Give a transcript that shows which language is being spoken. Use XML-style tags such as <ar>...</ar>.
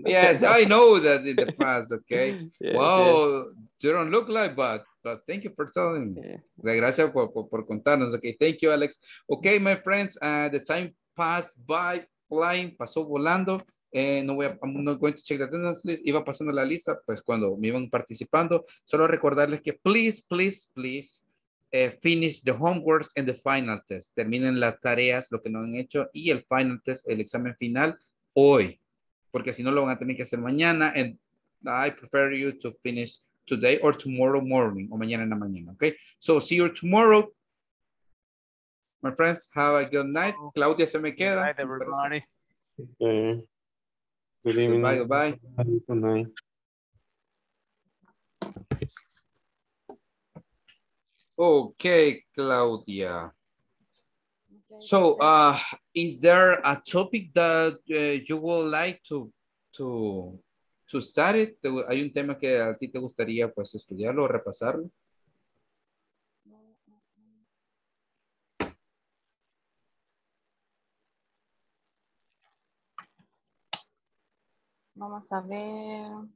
<en>Yes, I know that in the past, okay. Yes, wow, yes. You don't look like that. But thank you for telling me.</en> <es>Gracias por contarnos.</es> <en>Okay, thank you, Alex. Okay, my friends, the time passed by flying,</en> <es>pasó volando.</es> <en>I'm not going to check the attendance list.</en> <es>Iba pasando la lista, pues cuando me iban participando. Solo recordarles que</es> <en>please finish the homeworks and the final test.</en> <es>Terminen las tareas, lo que no han hecho, y el final test, el examen final, hoy. Porque si no, lo van a tener que hacer mañana.</es> <en>And I prefer you to finish today or tomorrow morning,</en> <es>o mañana en la mañana,</es> <en>okay? So, see you tomorrow. My friends, have a good night.</en> <es>Claudia se me queda.</es> <en>Good night, everybody. Good evening. Goodbye. Good night. Okay, Claudia. Okay, so, is there a topic that you would like to study?</en> <es>¿Hay un tema que a ti te gustaría pues estudiarlo o repasarlo? Vamos a ver.</es>